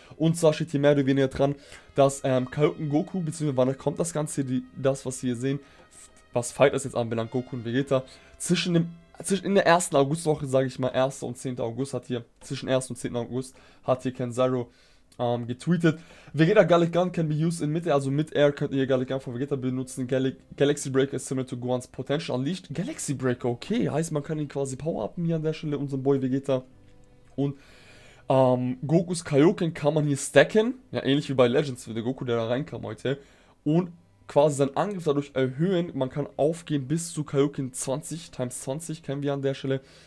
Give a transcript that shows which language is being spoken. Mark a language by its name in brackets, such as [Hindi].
[German] Und zwar steht hier mehr oder weniger dran, dass Kaioken Goku, beziehungsweise wann kommt das Ganze, das was wir hier sehen, was Fighters jetzt anbelangt, Goku und Vegeta, in der ersten Augustwoche, sage ich mal, 1. und 10. August hat hier, zwischen 1. und 10. August hat hier Kenzaro getweetet. [English] Vegeta Gallic Gun can be used in Mitte, [German] also mit Air könnt ihr Gallic Gun von Vegeta benutzen. [English] Galaxy Breaker is similar to Gohan's Potential Unleashed. [German] Galaxy Breaker, okay. Heißt, man kann ihn quasi power-upen hier an der Stelle, unserem Boy Vegeta. Und Gokus Kaioken kann man hier stacken. Ja, ähnlich wie bei Legends, wie der Goku, der da reinkam heute. Und quasi seinen Angriff dadurch erhöhen. Man kann aufgehen bis zu Kaioken 20 times 20, kennen wir an der Stelle.